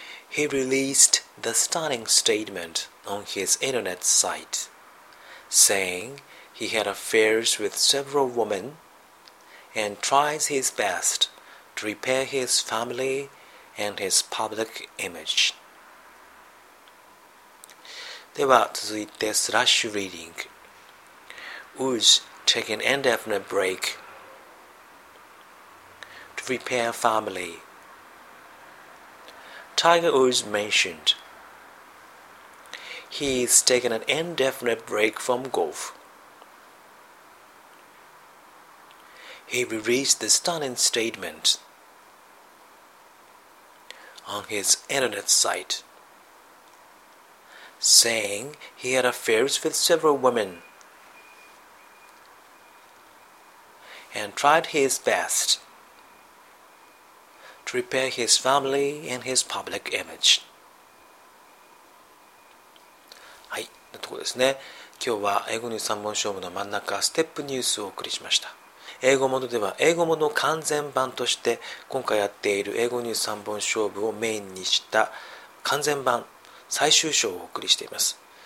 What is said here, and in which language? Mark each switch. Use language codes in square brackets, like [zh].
[en] he released the stunning statement on his internet site, saying he had affairs with several women and tries his best to repair his family and his public image. [ja] では続いてスラッシュリーディング。 [en] Woods take an indefinite break to repair family. Tiger Woods mentioned he's taken an indefinite break from golf. He released the stunning statement on his internet site. Saying he had affairs with several women and tried his best to repair his family and his public image. [ja] はい、というところですね。今日は英語ニュース3本勝負の真ん中、ステップニュースをお送りしました。英語モードでは英語モード完全版として今回やっている英語ニュース3本勝負をメインにした完全版最終章をお送りしています。